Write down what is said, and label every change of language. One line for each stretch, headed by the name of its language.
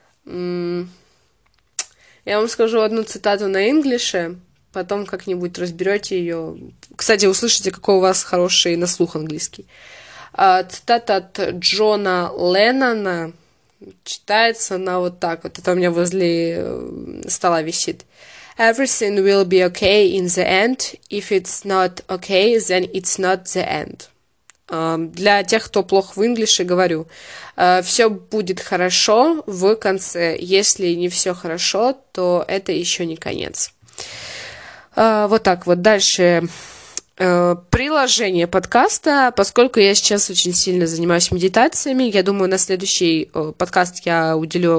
Russian: Я вам скажу одну цитату на инглише, потом как-нибудь разберете ее. Кстати, услышите, какой у вас хороший на слух английский. Цитата от Джона Леннона читается она вот так вот. Это у меня возле стола висит.
English: Everything will be okay in the end. If it's not okay, then it's not the end.
Russian: Для тех, кто плохо в инглише, говорю, все будет хорошо в конце. Если не все хорошо, то это еще не конец. Вот так вот. Дальше. Приложение подкаста. Поскольку я сейчас очень сильно занимаюсь медитациями, я думаю, на следующий подкаст я уделю...